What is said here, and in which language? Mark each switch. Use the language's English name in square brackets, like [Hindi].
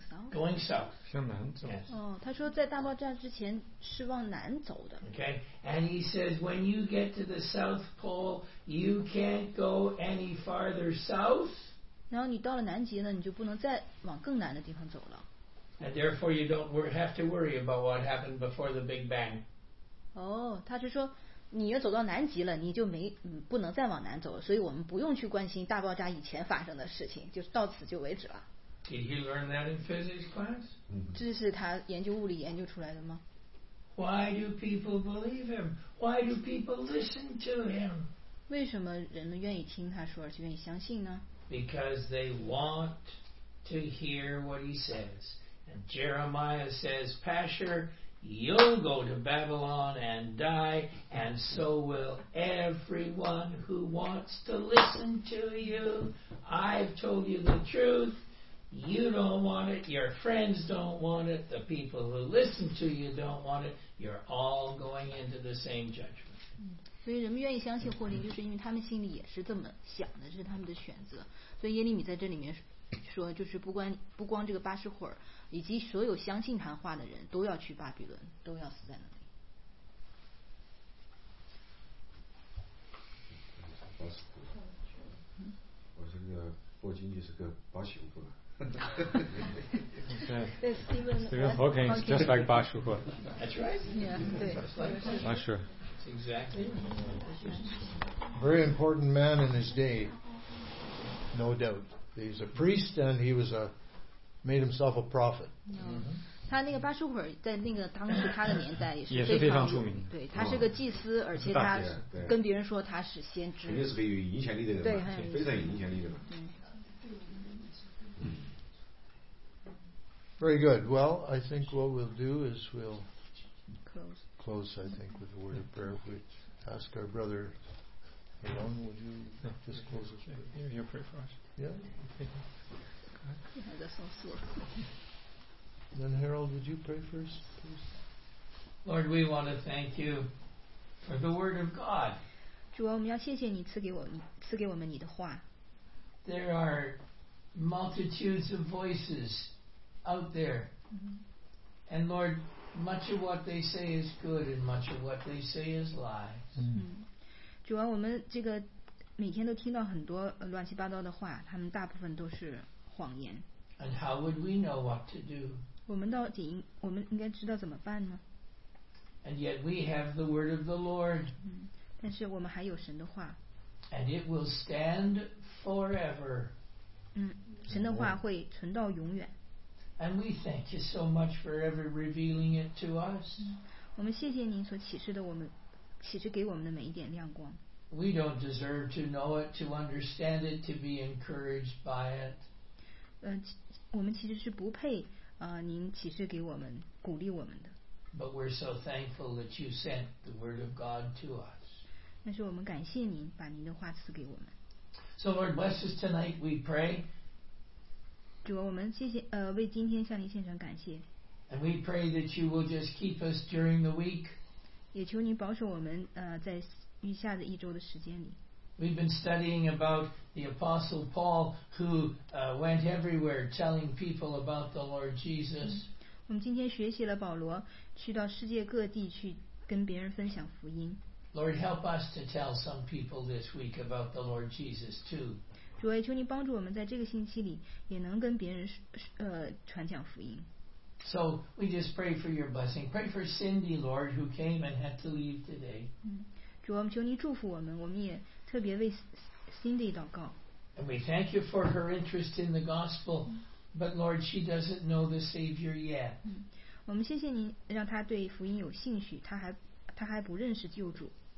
[English] Going south. [Chinese] 向南走。哦，他说在大爆炸之前是往南走的。 [English] Okay, and he says when you get to the South Pole, you can't go any farther south. [Chinese] 然后你到了南极呢，你就不能再往更南的地方走了。 [English] And therefore, you don't have to worry about what happened before the Big Bang. [Chinese] 哦，他是说你要走到南极了，你就没不能再往南走了，所以我们不用去关心大爆炸以前发生的事情，就到此就为止了。 [English] Did he learn that in physics class? [Chinese] 这是他研究物理研究出来的吗？ [English] Why do people believe him? Why do people listen to him? [Chinese] 为什么人们愿意听他说而且愿意相信呢？ [English] Because they want to hear what he says. And Jeremiah says, Pasher, you'll go to Babylon and die, and so will everyone who wants to listen to you. I've told you the truth. You don't want it. Your friends don't want it. The people who listen to you don't want it. You're all going into the same judgment. [Chinese] 所以人们愿意相信霍林，就是因为他们心里也是这么想的，这是他们的选择。所以耶利米在这里面说，就是不光这个八十会儿，以及所有相信他话的人都要去巴比伦，都要死在那里。八十会儿。我这个霍金就是个八十会儿。 [English] Stephen Hawking is just like Bashu. That's right. Yeah, not sure. Exactly. Very important man in his day, no doubt. He's a priest and he was made himself a prophet. No. Mm-hmm. [Chinese] 他那个巴舒珀在那个当时他的年代也是非常出名，对，他是个祭司，而且他跟别人说他是先知，肯定是很有影响力的人，对，非常有影响力的人。 [English] Very good. Well, I think what we'll do is we'll close, I think, with a word of prayer. If we ask our brother, Aaron, would you just close us? Yeah, you pray for us. Yeah? That's all sore. Then Harold, would you pray first, please? Lord, we want to thank you for the word of God. [Chinese] 主啊，我们要谢谢你赐给我们你的话。 [English] There are multitudes of voices. Out there. And Lord, much of what they say is good and much of what they say is lies. [Chinese] 主啊，我们这个每天都听到很多乱七八糟的话，他们大部分都是谎言。 [English] And how would we know what to do? [Chinese] 我们应该知道怎么办呢？ [English] And yet we have the word of the Lord. [Chinese] 但是我们还有神的话。 [English] And it will stand forever. [Chinese] 神的话会存到永远。 [English] And we thank you so much for ever revealing it to us. [Chinese] 我们谢谢您所启示的我们，启示给我们的每一点亮光。 [English] We don't deserve to know it, to understand it, to be encouraged by it. [Chinese] 我们其实是不配您启示给我们，鼓励我们的。 [English] But we're so thankful that you sent the word of God to us. [Chinese] 但是我们感谢您把您的话赐给我们。 [English] So Lord, bless us tonight. We pray. [Chinese] 主，我们谢谢为今天向您献上感谢。 [English] And we pray that you will just keep us during the week. [Chinese] 也求您保守我们在余下的一周的时间里。 [English] We've been studying about the Apostle Paul who went everywhere telling people about the Lord Jesus. [Chinese] 我们今天学习了保罗去到世界各地去跟别人分享福音。 [English] Lord, help us to tell some people this week about the Lord Jesus too. [Chinese] 主，求你帮助我们在这个星期里也能跟别人传讲福音。 [English] So we just pray for your blessing. Pray for Cindy, Lord, who came and had to leave today. [Chinese] 主，我们求你祝福我们，我们也特别为 Cindy 祷告。 [English] And we thank you for her interest in the gospel, but Lord, she doesn't know the Savior yet. [Chinese] 我们谢谢您让她对福音有兴趣，她还不认识救主。